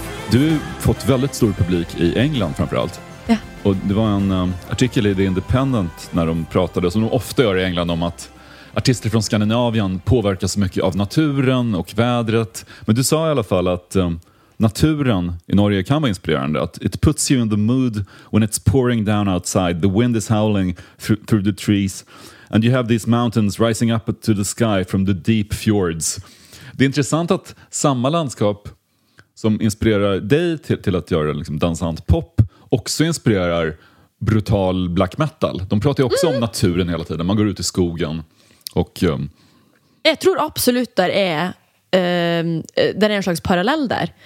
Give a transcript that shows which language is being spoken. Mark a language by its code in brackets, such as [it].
[sv] Du har fått väldigt stor publik i England framförallt. Ja. Och det var en artikel i The Independent när de pratade, som de ofta gör i England, om att artister från Skandinavien påverkas mycket av naturen och vädret. Men du sa i alla fall att naturen i Norge kan vara inspirerande. Att [en] it puts you in the mood when it's pouring down outside. The wind is howling through the trees. And you have these mountains rising up to the sky from the deep fjords. [sv] Det är intressant att samma landskap som inspirerar dig till att göra liksom dansant pop också inspirerar brutal black metal. De pratar ju också om naturen hela tiden. Man går ut i skogen och jag tror absolut där är en slags parallell där.